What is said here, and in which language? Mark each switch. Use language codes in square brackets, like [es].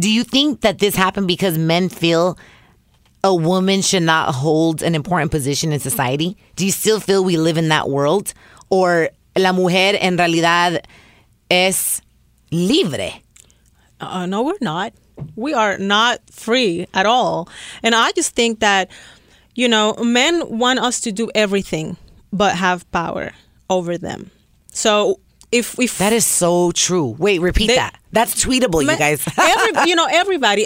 [en] Do you think that this happened because men feel a woman should not hold an important position in society? Do you still feel we live in that world? [es] Or la mujer en realidad es libre? [en] No, we're not. We are not free at all. And I just think that, you know, men want us to do everything but have power over them. So if that is so true. Wait, repeat that. That's tweetable, you guys. everybody.